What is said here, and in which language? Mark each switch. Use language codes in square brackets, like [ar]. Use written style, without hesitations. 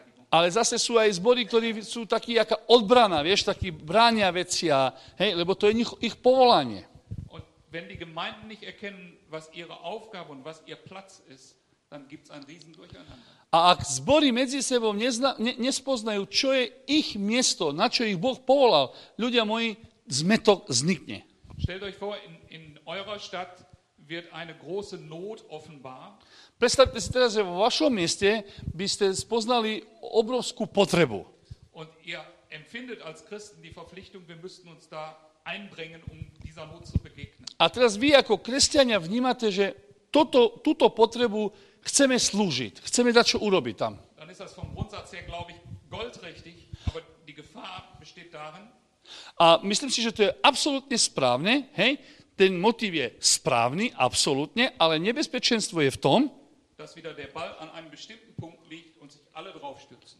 [sk] Ale zase sú aj zbory, ktorí sú takí, jaká odbrana, vieš, takí bránia veci, a, hej, lebo to je ich povolanie. [de] Wenn die Gemeinden nicht erkennen, was ihre Aufgabe und was ihr Platz ist, dann gibt's ein riesen Durcheinander. [sk] A ak zbory medzi sebou nespoznajú, čo je ich miesto, na čo ich Boh povolal, ľudia moji, zmetok vznikne. [de] Stellt euch vor, in eurer Stadt wird eine große Not offenbar. [sk] Predstavte si teraz, že vo vašom mieste by ste spoznali obrovskú potrebu. [de] Und ihr empfindet als Christen die Verpflichtung, wir müssten uns da einbringen, um dieser Not zu begegnen. [sk] A teraz vy ako kresťania vnímate, že túto potrebu chceme slúžiť, chceme dať čo urobiť tam. [de] Dann ist das vom Grundsatz her, glaube ich, goldrichtig, aber die Gefahr besteht darin. [sk] A myslím si, že to je absolútne správne, hej? Ten motív je správny, absolútne, ale nebezpečenstvo je v tom, [de] dass wieder der Ball an einem bestimmten Punkt liegt und sich alle drauf stürzen.